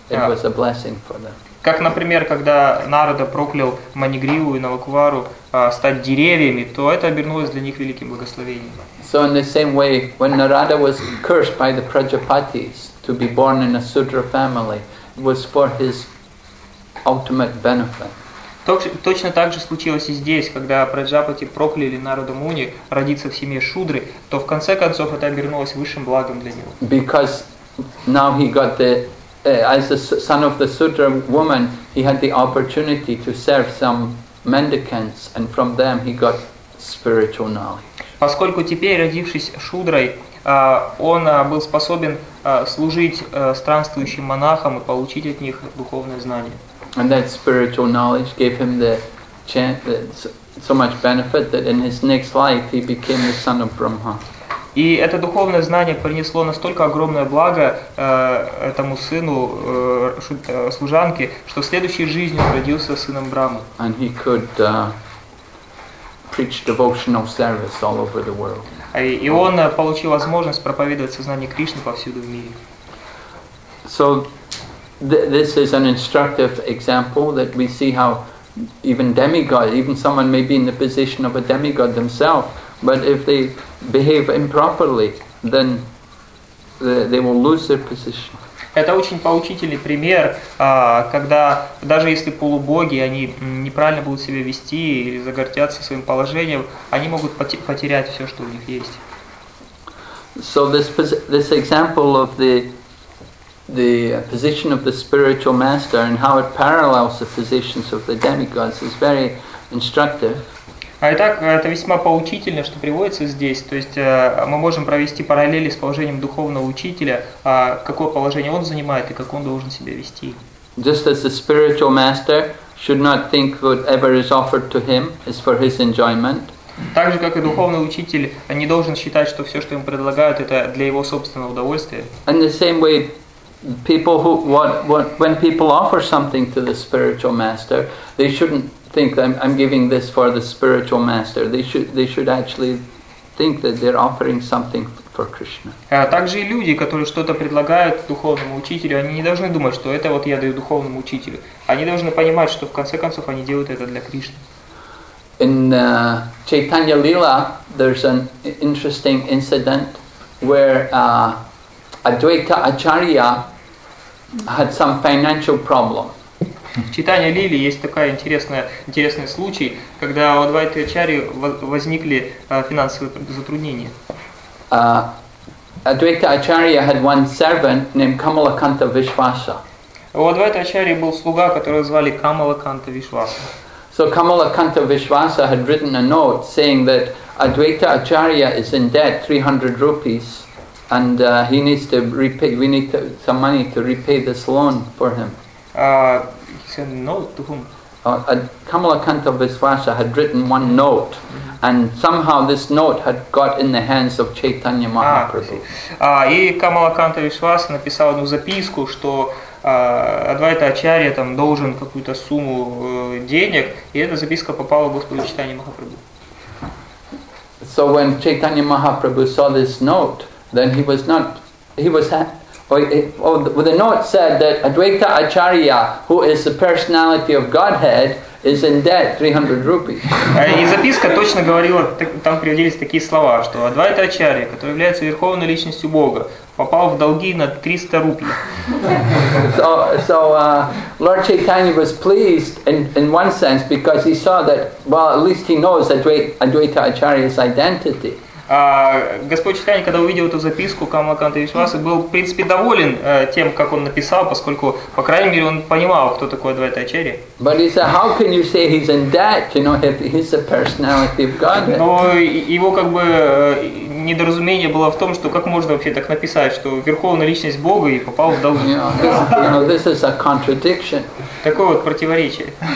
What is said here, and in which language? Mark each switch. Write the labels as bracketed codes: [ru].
[en] It was a blessing for them. [ru] Как, например, когда Нарада проклял Манигриву и Налаковару стать деревьями, то это обернулось для них великим благословением. [en] So in the same way, when Narada was cursed by the Prajapatis to be born in a Sudra family, it was for his ultimate benefit. [ru] Точно так же случилось и здесь, когда Праджапати прокляли Нарада Муни родиться в семье Шудры, то в конце концов это обернулось высшим благом для него. [en] Because now he got the, as the son of the Sudra woman, he had the opportunity to serve some mendicants, and from them he got spiritual knowledge. [ru] Поскольку теперь, родившись Шудрой, он был способен служить странствующим монахам и получить от них духовное знание. [en] And that spiritual knowledge gave him the chance, so much benefit that in his next life he became the son of Brahma. [ru] И это духовное знание принесло настолько огромное благо этому сыну служанки, что в следующей жизни он родился сыном Брамы. [en] And he could preach devotional service all over the world. [ru] И он получил возможность проповедовать сознание Кришны повсюду в мире. [en] So. This is an instructive example that we see how even demigod, even someone may be in the position of a demigod themselves, but if they behave improperly, then they will lose their position. [ru] Это очень поучительный пример, когда даже если полубоги, они неправильно будут себя вести или загордятся своим положением, они могут потерять все, что у них есть. [en] So this example of the position of the spiritual master and how it parallels the positions of the demigods is very instructive. [ru] А итак, это весьма поучительно, что приводится здесь. То есть мы можем провести параллели с положением духовного учителя, какое положение он занимает и как он должен себя вести. [en] Just as the spiritual master should not think whatever is offered to him is for his enjoyment. [ru] Так же, как и духовный учитель, не должен считать, что все, что ему предлагают, это для его собственного удовольствия. [en] And the same way. People who when people offer something to the spiritual master, they shouldn't think I'm giving this for the spiritual master. They should actually think that they're offering something for Krishna. [ru] Также и люди, которые что-то предлагают духовному учителю, они не должны думать, что это вот я даю духовному учителю. Они должны понимать, что в конце концов они делают это для Кришны. [en] In Chaitanya Lila, there's an interesting incident where. Advaita Acharya had some financial problem. [ru] В читании Лили есть такой интересный случай, когда у Адвайты Ачарьи возникли финансовые затруднения. [en] Advaita Acharya had one servant named Kamalakanta Vishwasa. [ru] У Адвайты Ачарьи был слуга, которого звали Kamalakanta Vishwasa. [en] So Kamalakanta Vishwasa had written a note saying that Advaita Acharya is in debt 300 rupees. And he needs to repay. We need to, some money to repay this loan for him. He said note to whom? Kamalakanta Vishwasa had written one note, and somehow this note had got in the hands of Chaitanya Mahaprabhu. [ru] И Kamalakanta Vishwasa написал одну записку, что Адвайта Ачарья там должен какую-то сумму денег, и эта записка попала в Господу Чайтанья Махапрабху. [en] So when Chaitanya Mahaprabhu saw this note. Then he was not. He was The note said that Advaita Acharya, who is the personality of Godhead, is in debt 300 rupees. [ru] И записка точно говорила, там приводились такие слова, что Адвайта Ачарья, который является верховной личностью Бога, попал в долги на 300 рупий. [en] So Lord Chaitanya was pleased in one sense because he saw that, well, at least he knows Advaita Acharya's identity. [ru] Господь Чайтанья, когда увидел эту записку Камалаканта Вишвасы, был, в принципе, доволен тем, как он написал, поскольку, по крайней мере, он понимал, кто такой Адвайта Ачарья. [en] But he said, how can you say he's in debt, you know, if he's the personality of God? [ru] Но его как бы недоразумение было в том, что как можно вообще так написать, что верховная личность Бога и попал в долги. [en] You know, this is a contradiction. [ru] Такое вот противоречие.